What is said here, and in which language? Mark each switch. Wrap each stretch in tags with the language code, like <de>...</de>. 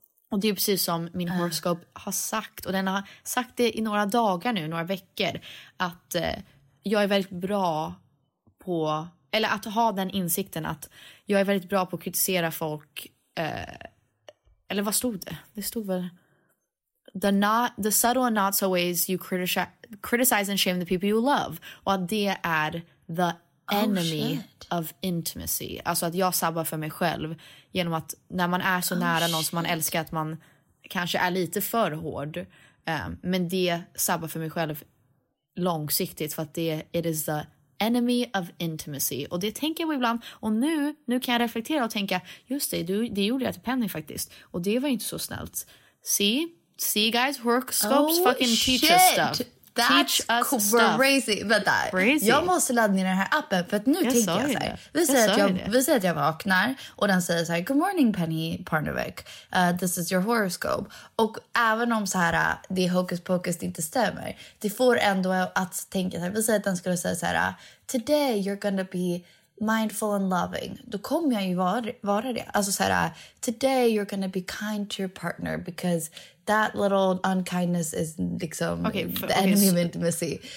<sv>Och det är precis som min horoskop har sagt. Och den har sagt det i några dagar nu, några veckor. Att jag är väldigt bra på... Eller att ha den insikten att jag är väldigt bra på att kritisera folk. Eller vad stod det? Det stod väl...</sv> <en>The subtle and not so ways you criticize and shame the people you love.</en> <sv>Och att det är</sv> <en>the... enemy of intimacy.</en> <sv>Alltså att jag sabbar för mig själv genom att när man är så nära någon som man älskar att man kanske är lite för hård. Men det sabbar för mig själv långsiktigt för att det</sv> <en>it is the enemy of intimacy.</en> <sv>Och det tänker jag ibland. Och nu kan jag reflektera och tänka, just det, det gjorde jag till Penny faktiskt. Och det var inte så snällt.</sv> <en>See guys, horoscopes fucking teach us stuff. That's crazy.</en> <sv>Jag måste ladda ner den här appen. För att nu tänker jag så här. Vi säger att jag vaknar. Och den säger så här:</sv> <en>good morning Penny Parnovic, this is your horoscope.</en> <sv>Och även om så här, det hocus pocus inte stämmer, det får ändå att tänka så här. Vi säger att den skulle säga så här:</sv> <en>today you're gonna be mindful and loving.</en> <sv>Då kommer jag ju vara det. Alltså så här:</sv> <en>today you're gonna be kind to your partner because that little unkindness is liksom enemy of intimacy.</en>